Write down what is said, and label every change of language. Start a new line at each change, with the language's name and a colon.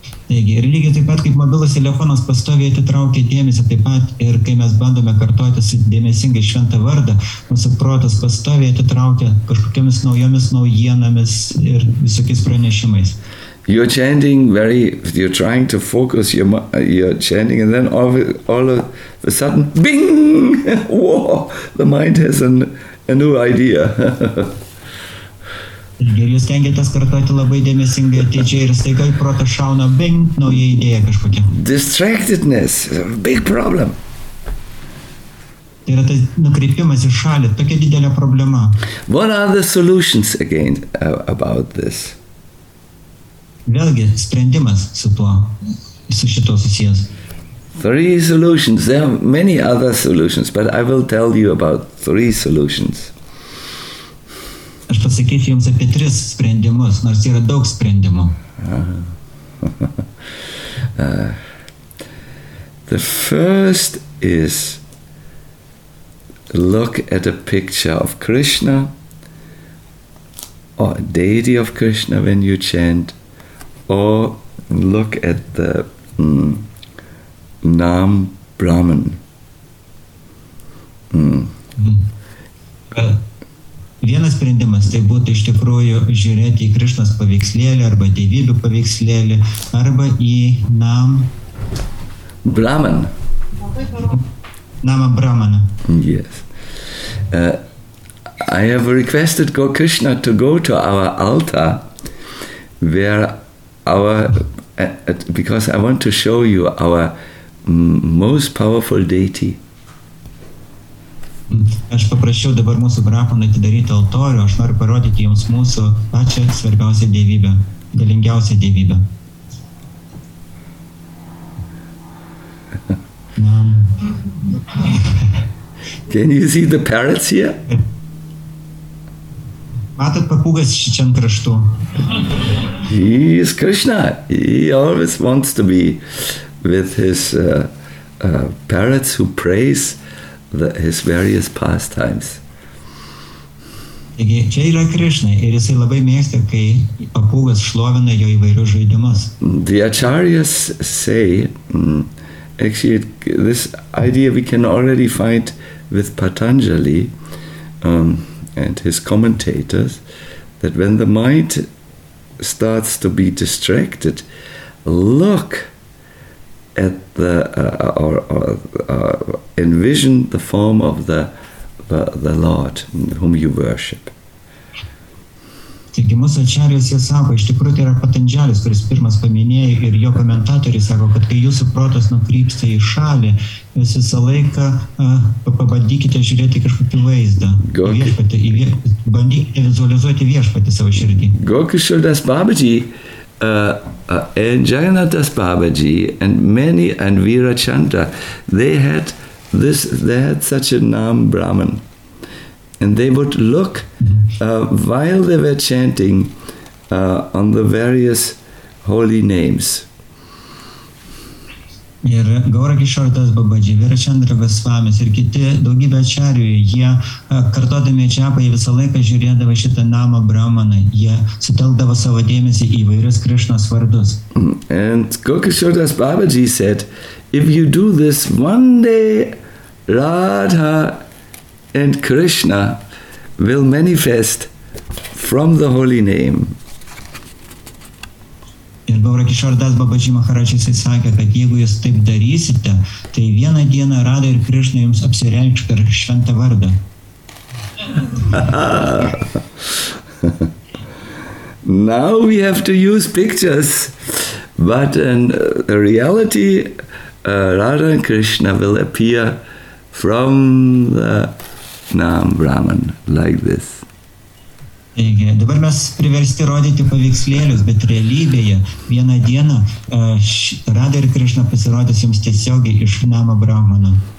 Lithuanian: Taigi, ir lygiai taip pat, kaip mobilus telefonas pastoviai atitraukia dėmesį, taip pat ir kai mes bandome kartuoti dėmesingai šventą vardą, mūsų protas pastoviai atitraukia kažkokiamis naujomis naujienomis ir visokiais pranešimais.
English: You're chanting very, you're trying to focus, you're chanting, and then all of a sudden, bing, wow, the mind has a new idea.
Lithuanian: Ir jūs tengiatės kartuoti labai dėmesingai atidžiai ir staiga į protą šauna bing, nauja idėja kažkokia.
English: Distractedness, big problem.
Lithuanian: Tai yra tas nukreipimas į šalį, tokia didelė problema.
English: What are the solutions again about this?
Lithuanian: Vėlgi, sprendimas su tuo, su šito susijęs.
English: Three solutions, there are many other solutions, but I will tell you about three solutions.
Lithuanian: Aš pasakysiu jums apie tris sprendimus, nors yra daug sprendimų.
English: The first is look at a picture of Krishna or a deity of Krishna when you chant, or look at the Nam Brahman.
Lithuanian: Vienas sprendimas tai būtų iš tikrųjų žiūrėti į Krišnos paveikslėlį arba dievybių paveikslėlį arba į Nam Brahman. Nama Brahmana.
English: Yes. I have requested Go Krishna to go to our altar where our because I want to show you our most powerful deity.
Lithuanian: Aš paprašiau dabar mūsų brahmanų atidaryti altorių, aš noriu parodyti jums mūsų pačią svarbiausią dievybę, galingiausią dievybę.
English: Can you see the parrots here?
Lithuanian: Matot papūgas šičia ant kraštų?
English: He is Krishna. He always wants to be with his parrots who praise his various pastimes.
Lithuanian: Taigi, čia yra Krishna, ir jisai labai mėgsta, kai papūgas šlovina jo įvairius žaidimus.
English: The acharyas say, actually, this idea we can already find with Patanjali and his commentators, that when the mind starts to be distracted, look at the envision the form of the Lord whom you worship.
Lithuanian: Taigi mūsų ačiarijos jie sako, iš tikrųjų tai yra Patanjalis, kuris pirmas paminėjo ir jo komentatoriai sako, kad kai jūsų protas nukrypsta į šalį, jūs visą laiką pabandykite žiūrėti kažkokį vaizdą. Bandykite vizualizuoti viešpatį savo širdį.
English: Gokishodas Babaji, and Jagannathas Babaji and many and Veerachandra, they had such a Nam Brahman, and they would look while they were chanting on the various holy names.
Lithuanian: Ir Gaurakishoras Babaji, Veerachandra Goswamis ir kiti daugybė ačiarių, jie kartodami čiapą, jie visą laiką žiūrėdavo šitą namą Brahmaną, jie sutelkdavo savo dėmesį į vairius Krišnos vardus.
English: And Gaurakishoras Babaji said, if you do this one day, Radha and Krishna will manifest from the holy name.
Lithuanian: Ir Gaurakishoras Babaji Maharaj jisai sakė, kad jeigu jūs taip darysite, tai vieną dieną Radha ir Krishna jums apsireikš per šventą vardą.
English: Now we have to use pictures, but in reality Radha and Krishna will appear from the Krishnam Brahman, like this.
Lithuanian: Taigi, dabar mes priversti rodyti paveikslėlius, bet realybėje vieną dieną Radha ir Krishna pasirodys jums tiesiogiai iš Nama Brahmano.